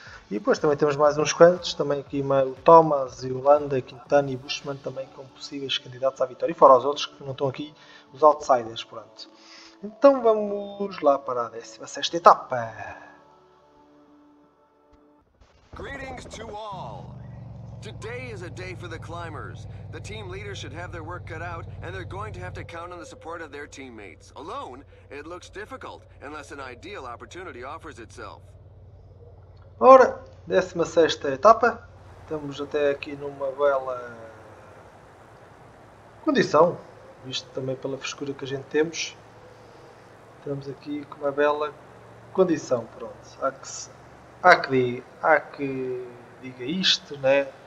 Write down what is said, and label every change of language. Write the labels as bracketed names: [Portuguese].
[Portuguese] E depois também temos mais uns quantos, também aqui o Thomas e o Landa, Quintana e Buschmann também com possíveis candidatos à vitória. E fora os outros que não estão aqui, os outsiders, pronto. Então vamos lá para a 16ª etapa. [English] Greetings to all. Today is a day for the climbers. The team leaders should have their work cut out and they're going to have to count on the support of their teammates. Alone, it looks difficult unless an ideal opportunity offers itself. [Portuguese] Ora, 16ª etapa, estamos até aqui numa bela condição, visto também pela frescura que a gente temos. Estamos aqui com uma bela condição, pronto. Há que diga isto, né?